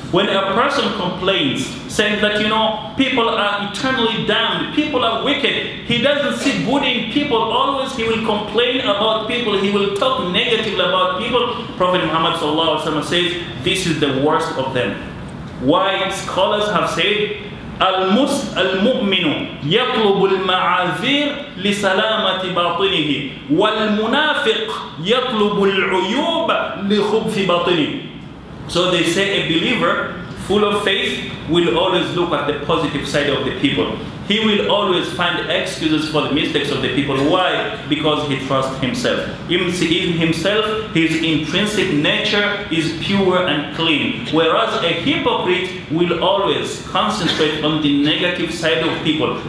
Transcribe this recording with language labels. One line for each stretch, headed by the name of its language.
English: When a person complains, saying that, you know, people are eternally damned, people are wicked, he doesn't see good in people, always he will complain about people, he will talk negatively about people, Prophet Muhammad sallallahu alaihi wasallam says, this is the worst of them. Why? Scholars have said,
Arabic: المؤمن يطلب المعاذير لسلامة باطنه والمنافق يطلب العيوب لخبث باطنه.
English: So they say a believer full of faith will always look at the positive side of the people. He will always find excuses for the mistakes of the people. Why? Because he trusts himself. In himself, his intrinsic nature is pure and clean. Whereas a hypocrite will always concentrate on the negative side of people.